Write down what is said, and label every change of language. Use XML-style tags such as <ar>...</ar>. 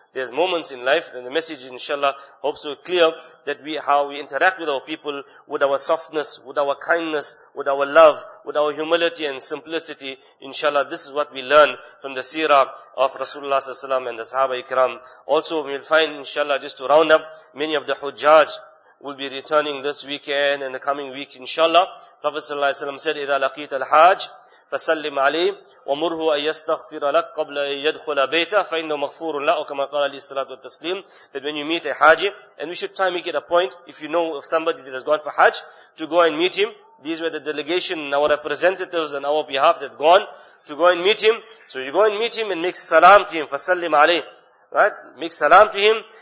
<en>There's moments in life, and the message inshallah hopes to be clear that we, how we interact with our people, with our softness, with our kindness, with our love, with our humility and simplicity. Inshallah, this is what we learn from the seerah of Rasulullah sallallahu alaihi wasallam and the Sahaba ikram. Also we'll find inshallah, just to round up, many of the hujjaj will be returning this weekend and the coming week inshallah.</en> <ar>Prophet sallallahu alaihi wasallam said, إِذَا لَقِيتَ الْحَاجِ فَسَلِّمْ عَلَيْهِ وَمُرْهُ أَن يَسْتَغْفِرَ لَكْ قَبْلَ أَن يَدْخُلَ بَيْتَهُ فَإِنَّهُ مَغْفُورٌ لَهُ كَمَا قَالَ عَلَيْهِ الصَّلَاةُ وَالتَّسْلِيمُ.</ar> <en>That when you meet a haji, and we should try make it a point, if you know of somebody that has gone for hajj, to go and meet him. These were the delegation, our representatives on our behalf that gone, to go and meet him. So you go and meet him and make salam to him,</en> <ar>فَسَلِّمْ عَلَيْهِ,</ar> <en>right? Make salam to him.</en>